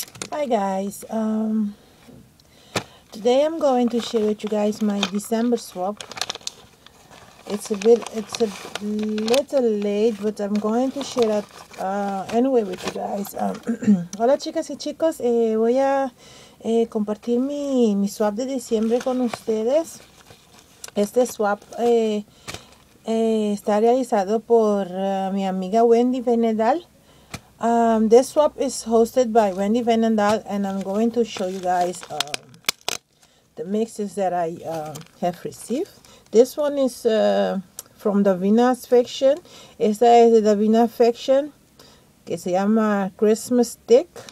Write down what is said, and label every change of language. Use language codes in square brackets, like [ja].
[en] Hi guys, today I'm going to share with you guys my December swap. It's a little late, but I'm going to share it anyway with you guys. [es] Hola chicas y chicos, voy a compartir mi swap de diciembre con ustedes. Este swap está realizado por mi amiga WendyVeenendal. [en] This swap is hosted by WendyVeenendal, and I'm going to show you guys the mixes that I have received. This one is from the Venus faction. [es] Esta es de la Venus faction, que se llama Christmas Stick.